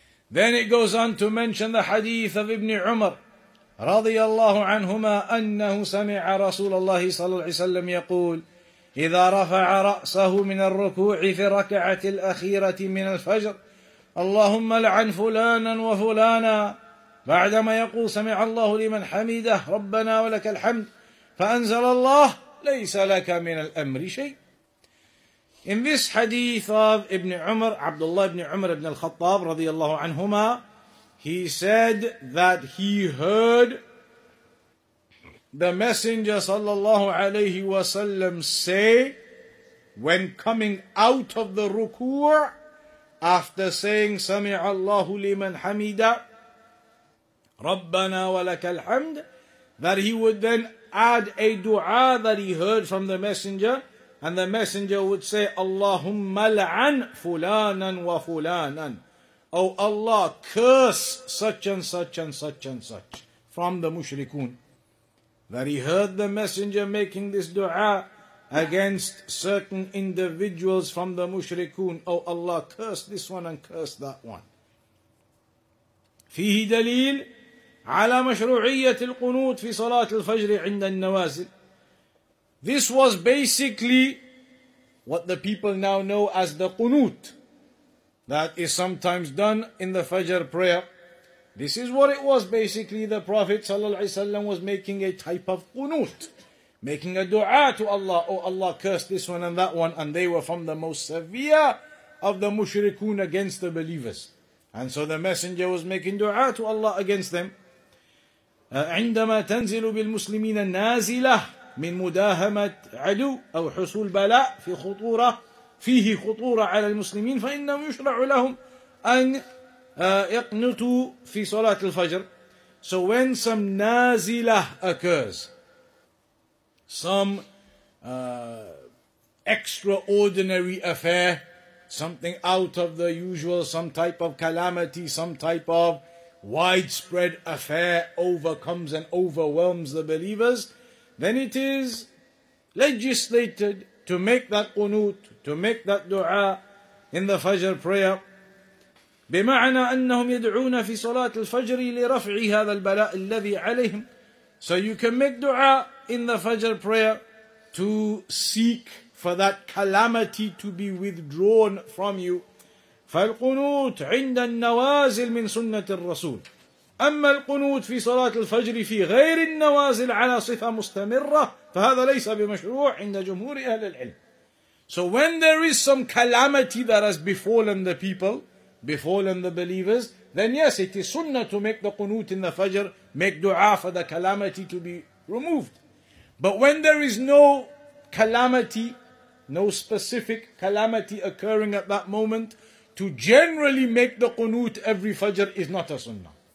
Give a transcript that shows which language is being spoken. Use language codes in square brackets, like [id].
[en] Then it goes on to mention the hadith of Ibn Umar [ar] radiyallahu anhuma, annahu sami'a Rasulullah sallallahu alayhi wa sallam yaqul, إذا رفع رأسه من الركوع في ركعة الأخيرة من الفجر اللهم لعن فلانا وفلانا بعدما يقول سمع الله لمن حمده ربنا ولك الحمد فأنزل الله ليس لك من الأمر شيء. [en] In this hadith of Ibn Umar, Abdullah ibn Umar ibn al-Khattab رضي الله عنهما, he said that he heard the Messenger sallallahu alayhi wa sallam say, when coming out of the ruku', after saying [ar] sami'a Allahu liman hamida rabbana wa lakal hamd, [en] that he would then add a dua that he heard from the Messenger, and the Messenger would say, [ar] Allahumma la'an fulanan wa fulanan, [en] oh Allah, curse such and such and such and such from the mushrikun. That he heard the messenger making this dua against certain individuals from the mushrikun. Oh Allah, curse this one and curse that one. [ar] فيه دليل على مشروعية القنوت في صلاة الفجر عند النوازل. [en] This was basically what the people now know as the qunut, that is sometimes done in the Fajr prayer. This is what it was basically. The Prophet ﷺ was making a type of qunut, making a dua to Allah. Oh Allah, curse this one and that one. And they were from the most severe of the mushrikun against the believers. And so the Messenger was making dua to Allah against them. [ar] عندما تنزل بالمسلمين النازلة من مداهمة عدو أو حصول بلاء في خطورة فيه خطورة على المسلمين فإنهم يشرع لهم أن يقنطوا في صلاة الفجر. [en] So when some nazilah occurs, some extraordinary affair, something out of the usual, some type of calamity, some type of widespread affair overcomes and overwhelms the believers, then it is legislated to make that qunut, to make that dua in the Fajr prayer. [ar] بمعنى أنهم يدعون في صلاة الفجر لرفع هذا البلاء الذي عليهم. [en] So you can make dua in the Fajr prayer to seek for that calamity to be withdrawn from you. [ar] فالقنوت عند النوازل من سنة الرسول. أما القنوت في صلاة الفجر في غير النوازل على صفة مستمرة فهذا ليس بمشروع عند جمهور أهل العلم. [en] So when there is some calamity that has befallen the people, befallen the believers, then yes, it is sunnah to make the qunut in the fajr, make dua for the calamity to be removed. But when there is no calamity, no specific calamity occurring at that moment, to generally make the qunut every fajr is not a sunnah.